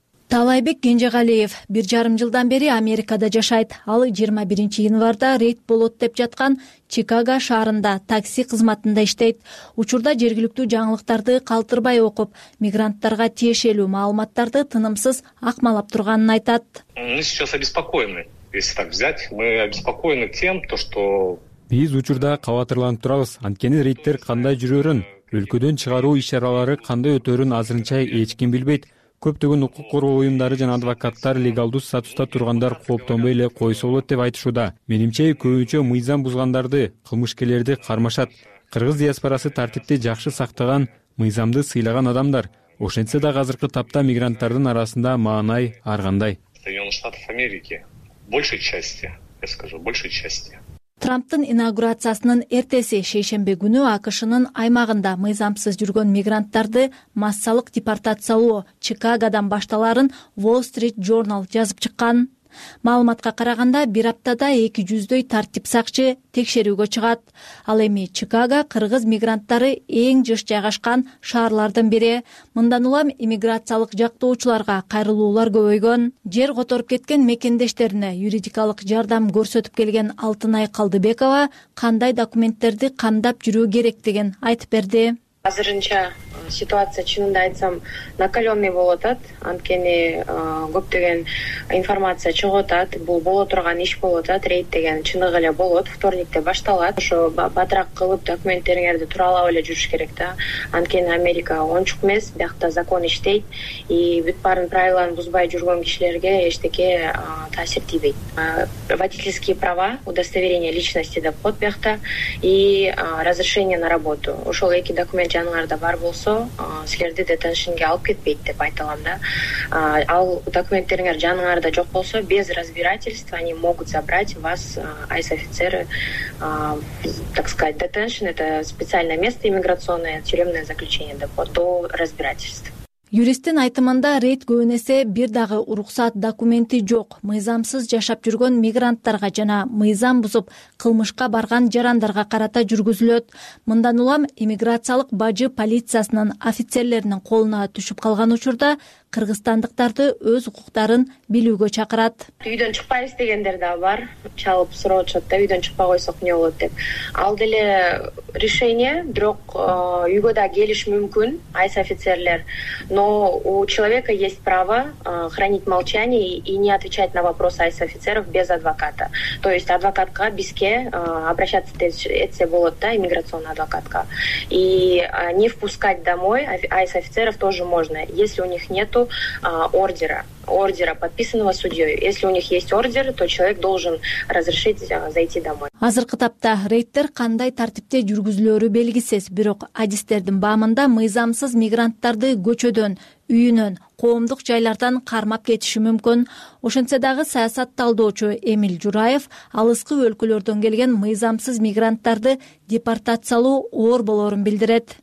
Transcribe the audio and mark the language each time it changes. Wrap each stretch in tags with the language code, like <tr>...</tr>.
<ky>Талайбек Кенжегалиев 1.5 жылдан бери Америкада жашайт. Ал 21 январда рейд болот деп жаткан Чикаго шаарында такси кызматында иштейт. Учурда жергиликтүү жаңылыктарды калтырбай окуп, мигранттарга тиешелүү маалыматтарды тынымсыз акмалап турганын айтат.</ky> <ru>Мы сейчас обеспокоены. Если так взять, мы обеспокоены тем, что</ru> <ky>биз учурда кабатырланып турабыз. Анткени рейдтер кандай жүрөрүн, өлкөдөн чыгаруу иш-чаралары кандай өтөрүн азырынча эч ким билбейт. Көптөгөн укук коргоо уюмдары жана адвокаттар легалдуу статуста тургандар кооптонбой эле койсо болот деп айтышууда. Менимче, көбүнчө мыйзам бузгандарды, кылмышкерлерди кармашат. Кыргыз диаспорасы тартипти жакшы сактаган, мыйзамды сыйлаган адамдар. Ошентсе да азыркы тапта мигранттардын арасында маанай ар кандай.</ky> <ru>Соединенных Штатов Америки. Большей части, я скажу, большей части.</ru> <ky>Трамптын инаугурациясынын эртеси шейшемби күнү АКШнын аймагында мыйзамсыз жүргөн мигранттарды массалык депортациялоо Чикагодон башталарын Wall Street Journal жазып чыккан. Маалыматка караганда, бир аптада 200 тартип сакчы текшерүүгө чыгат. Ал эми Чикаго кыргыз мигранттары эң жыш жайгашкан шаарлардын бири. Мындан улам иммиграциялык жактоочуларга кайрылуулар көбөйгөн. Жер которуп кеткен мекендештерине юридикалык жардам көрсөтүп келген Алтынай Калдыбекова кандай документтерди камдап жүрүү керектигин айтып берди. Азырынча ситуация, чынында айтсам, накаленный болуп атат. Анткени көптөгөн информация чыгып атат. Бул боло турган иш болуп атат. Рейд деген чыныгы эле болот. Вторникте башталат. Ошо батырак кылып документтериңерди тууралап эле жүрүш керек да. Анткени Америка ончук эмес, биякта закон иштейт. И бүт баарын правиланы бузбай жүргөн кишилерге эчтеке таасир тийбейт.</ky> <ru>Водительские права, удостоверение личности</ru> <ky>деп коет биякта.</ky> <ru>И разрешение на работу.</ru> <ky>Ошол эки документ жаныңарда бар болот. Силерди детеншинге алып кетпейт деп айта алам да. Ал документтериңер жаныңарда жок болсо,</ky> <ru>без разбирательства они могут забрать вас, айс офицеры, так сказать, детеншин, это специальное место иммиграционное, тюремное заключение</ru> <ky>деп коет,</ky> <ru>до разбирательств.</ru> <ky>Юристтин айтымында рейд көбүнесе бир дагы уруксат документи жок, мыйзамсыз жашап жүргөн мигранттарга жана мыйзам бузуп кылмышка барган жарандарга карата жүргүзүлөт. Мындан улам иммиграциялык бажы полициясынын офицерлеринин колуна түшүп калган учурда кыргызстандыктарды өз укуктарын билүүгө чакырат. Үйдөн чыкпайбыз дегендер да бар. Чалып суроо атышат да, үйдөн чыкпай койсок эмне болот деп. Ал деле решение, бирок үйгө да келиш мүмкүн айс офицерлер.</ky> <ru>Но у человека есть право хранить молчание и не отвечать на вопросы айс офицеров без адвоката. То есть</ru> <ky>адвокатка бизге</ky> <ru>обращаться</ru> <ky>этсе болот да,</ky> <ru>иммиграционный</ru> <ky>адвокатка.</ky> <ru>И не впускать домой айс офицеров тоже можно, если у них нет ордера. ордера, подписанного судьей. Если у них есть ордер, то человек должен разрешить зайти домой.</ru> <ky>Азыркы тапта рейдтер кандай тартипте жүргүзүлөрү белгисиз, бирок адистердин баамында мыйзамсыз мигранттарды көчөдөн, үйүнөн, коомдук жайлардан кармап кетиши мүмкүн. Ошентсе дагы саясат талдоочу Эмиль Жураев алыскы өлкөлөрдөн келген мыйзамсыз мигранттарды депортациялоо оор болорун билдирет.</ky>